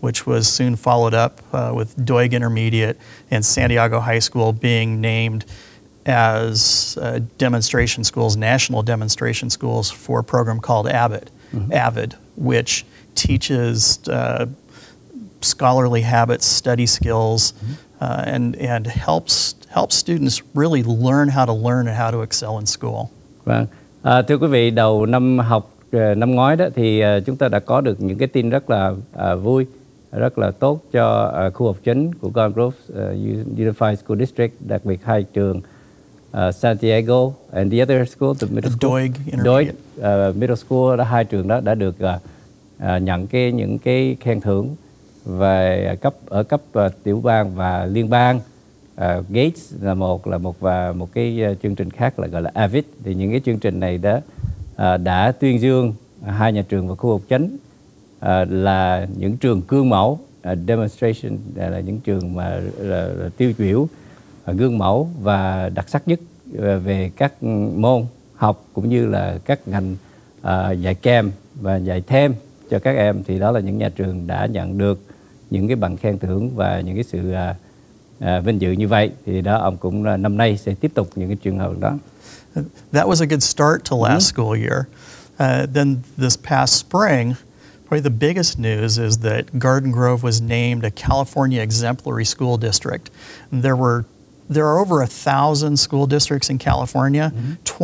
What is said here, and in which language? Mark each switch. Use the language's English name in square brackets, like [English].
[English] which was soon followed up with Doig Intermediate and San Diego High School being named as demonstration schools, national demonstration schools for a program called ABIT, mm-hmm. AVID, which teaches scholarly habits, study skills, mm-hmm. and helps students really learn how to learn and how to excel in school. Right. [Vietnamese] Thưa quý vị, đầu năm học năm ngoái đó thì chúng ta đã có được những cái tin rất là vui, rất là tốt cho khu học chính của Garden Grove Unified School District, đặc biệt hai trường [English] San Diego and the other school, the middle school, [Vietnamese] Doig Intermediate. Middle school, đó, hai trường đó đã được nhận những cái khen thưởng về cấp tiểu bang và liên bang. Gates là một và một cái chương trình khác là gọi là AVID. Thì những cái chương trình này đã tuyên dương hai nhà trường và khu học chính là những trường gương mẫu, demonstration, là những trường mà là tiêu biểu, gương mẫu và đặc sắc nhất về các môn học cũng như là các ngành dạy kèm và dạy thêm cho các em. Thì đó là những nhà trường đã nhận được những cái bằng khen thưởng và những cái sự vinh dự như vậy. Thì đó, ông cũng năm nay sẽ tiếp tục những cái trường hợp đó. [English] That was a good start to last mm-hmm. school year. Then this past spring, probably the biggest news is that Garden Grove was named a California Exemplary School District. And there are over 1,000 school districts in California. Mm-hmm.